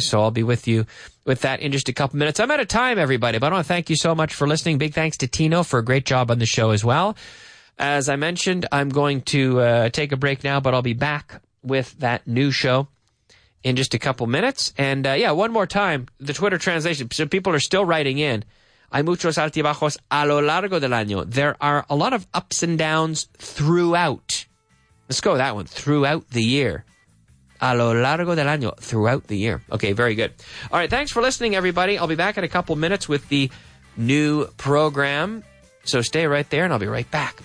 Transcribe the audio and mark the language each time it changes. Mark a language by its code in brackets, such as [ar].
[en] So I'll be with you with that in just a couple minutes. I'm out of time, everybody, but I want to thank you so much for listening. Big thanks to Tino for a great job on the show as well. As I mentioned, I'm going to take a break now, but I'll be back with that new show in just a couple minutes. And one more time, the Twitter translation. So people are still writing in. [es] Hay muchos altibajos a lo largo del año. [en] There are a lot of ups and downs throughout. Let's go with that one. Throughout the year. [es] A lo largo del año. [en] Throughout the year. Okay, very good. All right, thanks for listening, everybody. I'll be back in a couple minutes with the new program. So stay right there, and I'll be right back.